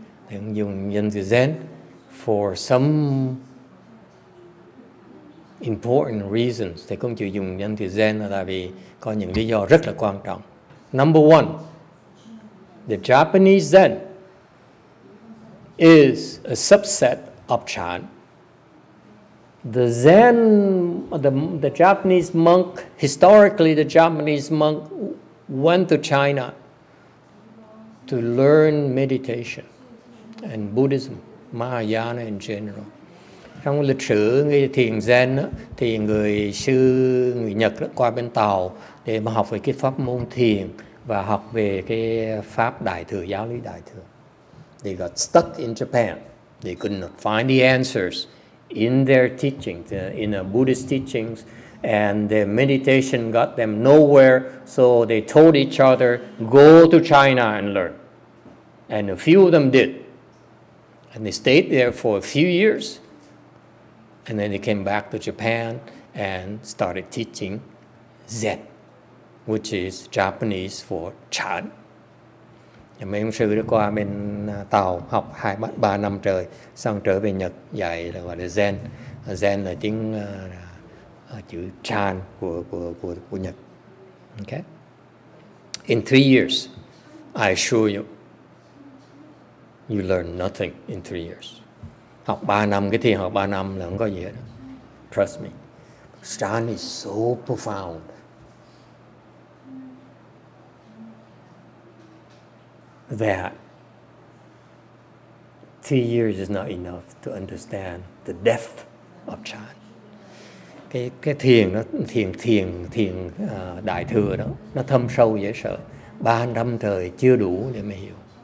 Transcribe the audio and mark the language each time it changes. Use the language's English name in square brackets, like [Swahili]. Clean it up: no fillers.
[Vietnamese] Thầy không dùng danh từ Zen [English] for some important reasons. [Vietnamese] Thầy không chịu dùng danh từ Zen là tại vì có những lý do rất là quan trọng. [English] Number one, the Japanese Zen is a subset of Chan. The Zen, the Japanese monk, historically the Japanese monk went to China to learn meditation and Buddhism, Mahayana in general. [Vietnamese] Trong lịch sử người thiền Zen đó, thì người sư người Nhật đó, qua bên Tàu để mà học về cái pháp môn thiền và học về cái pháp đại thừa, giáo lý đại thừa. [English] They got stuck in Japan. They could not find the answers in their teachings, in the Buddhist teachings, and their meditation got them nowhere, so they told each other, go to China and learn. And a few of them did. And they stayed there for a few years, and then they came back to Japan and started teaching Zen, which is Japanese for Chan. [Vietnamese] Mấy ông sư đã qua bên Tàu học 2-3 năm trời, xong trở về Nhật dạy là gọi là Zen. Zen là tiếng chữ chan của Nhật. Okay. [English] In 3 years, I assure you, you learn nothing in 3 years. [Vietnamese] Học 3 năm cái thiền học 3 năm là không có gì hết. [English] Trust me. Chan is so profound. That 3 years is not enough to understand the depth of chan. [Vietnamese] Cái thiền nó thiền đại thừa đó, nó thâm sâu dễ sợ. 3 năm trời chưa đủ để mà hiểu.